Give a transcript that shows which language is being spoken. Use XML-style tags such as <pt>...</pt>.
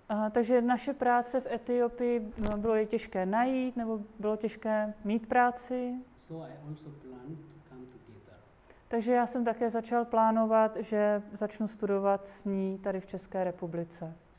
<cs>Takže naše práce v Etiopii, bylo je těžké najít, nebo bylo těžké mít práci.</cs> <en>So I also planned to come together.</en> <cs>Takže já jsem také začal plánovat, že začnu studovat s ní tady v České republice.</cs>